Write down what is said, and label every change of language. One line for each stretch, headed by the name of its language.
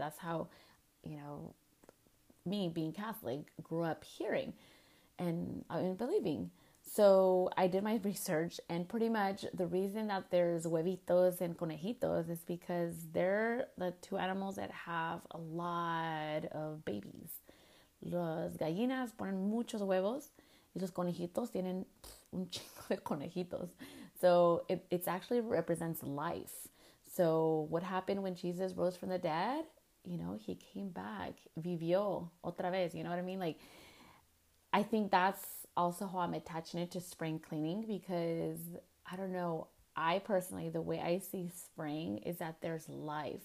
English: That's how, me being Catholic grew up hearing and believing. So I did my research, and pretty much the reason that there's huevitos and conejitos is because they're the two animals that have a lot of babies.
Spanish: Los gallinas ponen muchos huevos y los conejitos tienen un chingo de conejitos.
English: So it actually represents life. So what happened when Jesus rose from the dead? He came back.
Spanish: Vivió otra vez.
English: You know what I mean? I think that's also how I'm attaching it to spring cleaning because I don't know. I personally, the way I see spring is that there's life.